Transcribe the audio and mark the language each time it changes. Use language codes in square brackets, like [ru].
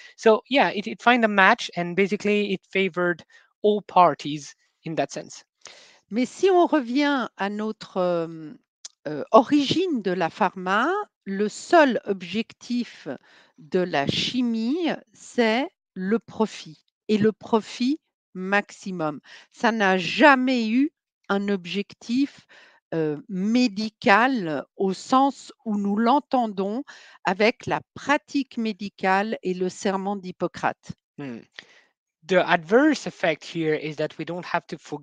[en] So yeah, it find a match and basically it favored all parties in that sense. [fr] Mais si on revient à notre origine de la pharma, le seul objectif de la chimie, c'est le profit. Et le profit maximum. Ça n'a jamais eu un objectif médical au sens où nous l'entendons avec la pratique médicale et le serment d'Hippocrate. [en] The adverse effect here is that we don't have to